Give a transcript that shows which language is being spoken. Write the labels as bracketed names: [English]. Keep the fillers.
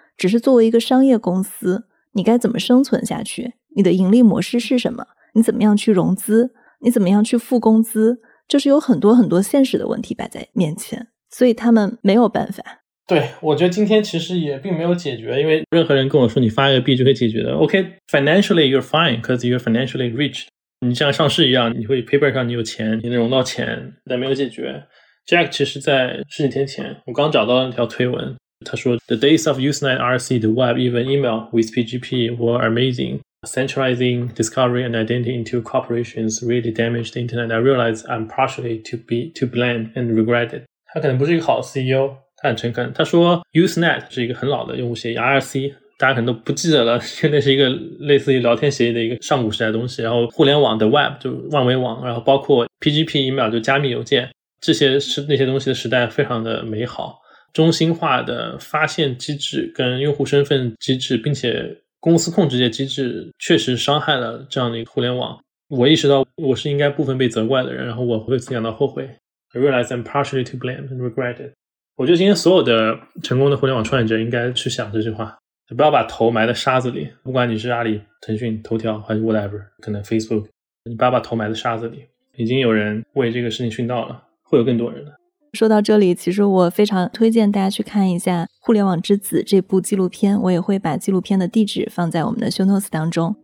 [Chinese] 只是作为一个商业公司，你该怎么生存下去？你的盈利模式是什么？你怎么样去融资？你怎么样去付工资？就是有很多很多现实的问题摆在面前，所以他们没有办法。对，我觉得今天其实也并没有解决，因为任何人跟我说你发一个币就可以解决的。 [English] OK，financially、okay, you're fine，because you're financially rich。 [Chinese] 你像上市一样，你会 paper 上你有钱，你能融到钱，但没有解决。 Jack 其实，在十几天前，我刚找到那条推文，他说：“ [English] The days of Usenet, RC, the web, even email with PGP were amazing。 ” Centralizing discovery and identity into corporations really damaged the internet. I realize I'm partially to be to blame and regret it. [Chinese] 他可能不是一个好 CEO，他很诚恳。他说，Usenet 是一个很老的用户协议，IRC，大家可能都不记得了，因为那是一个类似于聊天协议的一个上古时代东西。然后互联网的 Web 就万维网，然后包括 PGP Email 就加密邮件，这些是那些东西的时代，非常的美好。中心化的发现机制跟用户身份机制，并且。公司控制这些机制确实伤害了这样的一个互联网。我意识到我是应该部分被责怪的人，然后我会感到后悔。 [English] I realize I'm partially to blame, and regret it。 [Chinese] 我觉得今天所有的成功的互联网创业者应该去想这句话：不要把头埋在沙子里。不管你是阿里、腾讯、头条还是 whatever，可能 Facebook，你不要把头埋在沙子里。已经有人为这个事情殉道了，会有更多人的。说到这里，其实我非常推荐大家去看一下《互联网之子》这部纪录片，我也会把纪录片的地址放在我们的 show notes 当中。